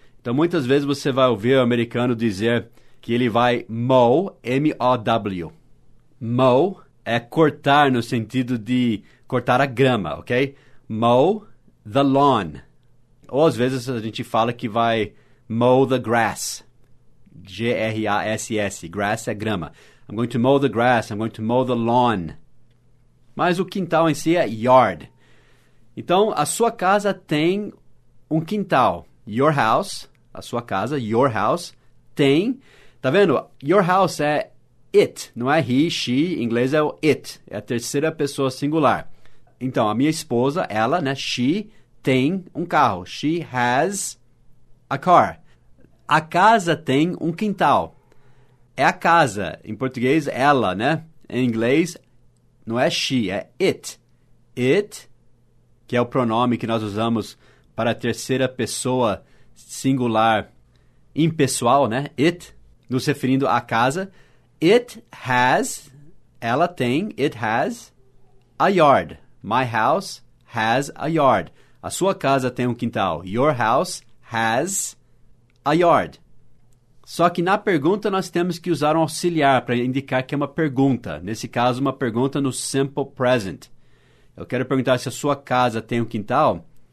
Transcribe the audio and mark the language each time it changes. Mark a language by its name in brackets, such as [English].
[Portuguese] Então, muitas vezes você vai ouvir o americano dizer que ele vai mow, M-O-W. Mow é cortar no sentido de cortar a grama, ok? [English] Mow the lawn. [Portuguese] Ou, às vezes, a gente fala que vai [English] mow the grass, [Portuguese] G-R-A-S-S, grass é grama. [English] I'm going to mow the grass, I'm going to mow the lawn. [Portuguese] Mas o quintal em si é yard. Então, a sua casa tem um quintal. [English] Your house, [Portuguese] a sua casa, [English] your house, [Portuguese] tem. Tá vendo? [English] Your house [Portuguese] é it, não é he, she. Em inglês é o it, é a terceira pessoa singular. Então, a minha esposa, ela, né? [English] She [Portuguese] tem um carro. [English] She has a car. [Portuguese] A casa tem um quintal. É a casa. Em português, ela, né? Em inglês, não é she, é it. It, que é o pronome que nós usamos para a terceira pessoa singular impessoal, né? It, nos referindo à casa. [English] It has, [Portuguese] ela tem, [English] it has a yard. My house has a yard. [Portuguese] A sua casa tem um quintal. [English] Your house has a yard. [Portuguese] Só que na pergunta nós temos que usar um auxiliar para indicar que é uma pergunta. Nesse caso, uma pergunta no simple present. Eu quero perguntar se a sua casa tem um quintal.